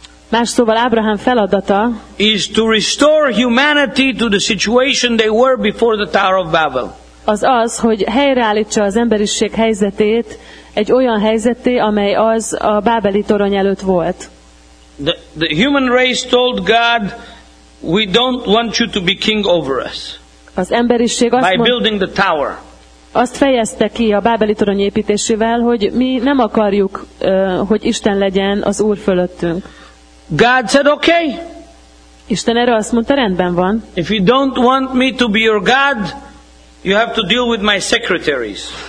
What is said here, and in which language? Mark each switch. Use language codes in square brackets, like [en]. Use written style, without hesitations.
[hu] más szóval Ábrahám feladata, [en] is to restore humanity to the situation they were before the Tower of Babel. [hu] Az az, hogy helyreállítsa az emberiség helyzetét egy olyan helyzetté, amely az a bábeli torony előtt volt. [en] The human race told God, we don't want you to be king over us. [hu] Az emberiség azt mondta, [en] by building the tower. [hu] Azt fejezte ki a bábeli torony építésével, hogy mi nem akarjuk, hogy Isten legyen az Úr fölöttünk. [en] God said, okay. [hu] Isten erre azt mondta, rendben van. [en] If you don't want me to be your God, you have to deal with my secretaries.